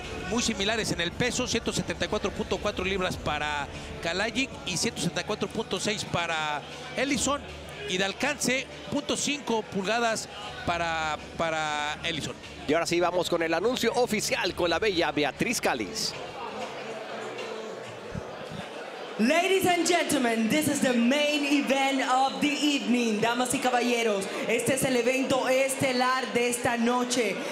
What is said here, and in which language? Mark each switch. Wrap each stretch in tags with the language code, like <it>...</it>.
<es>Muy similares en el peso, 174.4 libras para Kalajic y 174.6 para Ellison. Y de alcance, 0.5 pulgadas para Ellison. Y ahora sí, vamos con el anuncio oficial con la bella Beatriz Calis.</es> <en>Ladies and gentlemen, this is the main event of the evening.</en> <es>Damas y caballeros, este es el evento estelar de esta noche.</es>